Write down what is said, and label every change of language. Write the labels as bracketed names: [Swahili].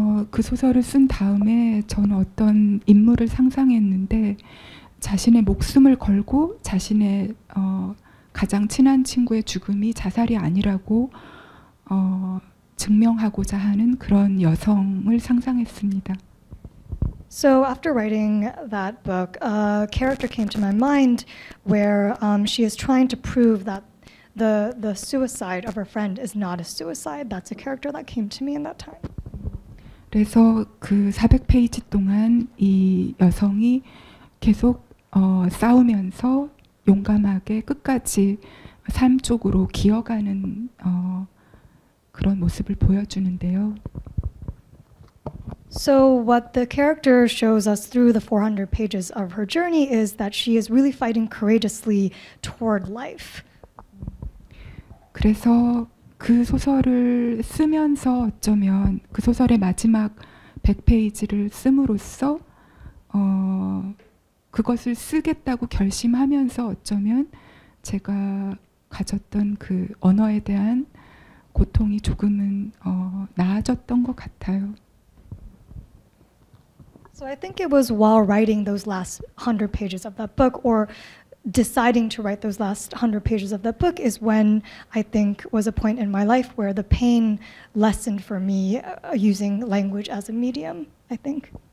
[Korean] 그 소설을 쓴 다음에 저는 어떤 인물을 상상했는데 자신의 목숨을 걸고 자신의 가장 친한 친구의 죽음이 자살이 아니라고 증명하고자 하는 그런 여성을 상상했습니다. [English] So after writing that book, a character came to my mind where she is trying to prove that the suicide of her friend is not a suicide. That's a character that came to me in that time. [Korean] 그래서 그 400페이지 동안 이 여성이 계속 싸우면서 용감하게 끝까지 삶 쪽으로 기어가는 그런 모습을 보여주는데요. [English] So what the character shows us through the 400 pages of her journey is that she is really fighting courageously toward life. [Korean] 그래서 그 소설을 쓰면서 어쩌면 그 소설의 마지막 100페이지를 쓰므로써 그것을 쓰겠다고 결심하면서 어쩌면 제가 가졌던 그 언어에 대한 고통이 조금은 나아졌던 것 같아요. [English] So I think it was while writing those last 100 pages of that book or deciding to write those last 100 pages of that book is when I think was a point in my life where the pain lessened for me using language as a medium, I think.